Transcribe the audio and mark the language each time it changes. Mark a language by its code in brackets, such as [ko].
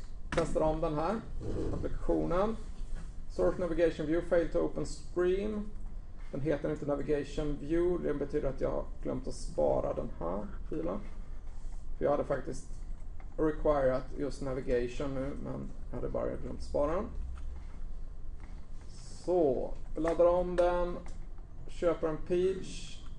[sv] Testar om den här applikationen. [en] Source Navigation View failed to open screen. [sv] Den heter inte Navigation View. Det betyder att jag har glömt att spara den här filen. För jag hade faktiskt required just Navigation nu, men jag hade bara glömt spara den. Så, vi laddar om den. Köper en page.